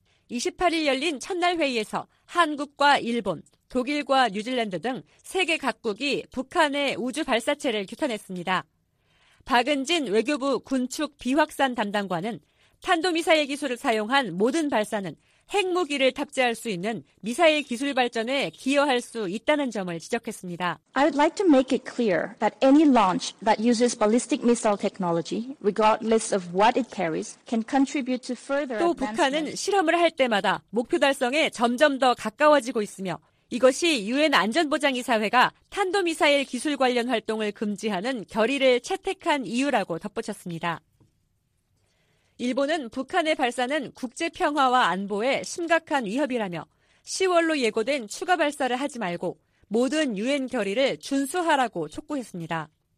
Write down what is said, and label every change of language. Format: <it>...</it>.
<ko>28일 열린 첫날 회의에서 한국과 일본, 독일과 뉴질랜드 등 세계 각국이 북한의 우주 발사체를 규탄했습니다. 박은진 외교부 군축 비확산 담당관은 탄도미사일 기술을 사용한 모든 발사는 핵무기를 탑재할 수 있는 미사일 기술 발전에 기여할 수 있다는 점을 지적했습니다.</ko> <en>I would like to make it clear that any launch that uses ballistic missile technology, regardless of what it carries, can contribute to further advancement.</en> <ko>또 북한은 실험을 할 때마다 목표 달성에 점점 더 가까워지고 있으며 이것이 유엔 안전보장이사회가 탄도미사일 기술 관련 활동을 금지하는 결의를 채택한 이유라고 덧붙였습니다. 일본은 북한의 발사는 국제 평화와 안보에 심각한 위협이라며 10월로 예고된 추가 발사를 하지 말고 모든 유엔 결의를 준수하라고 촉구했습니다.</ko>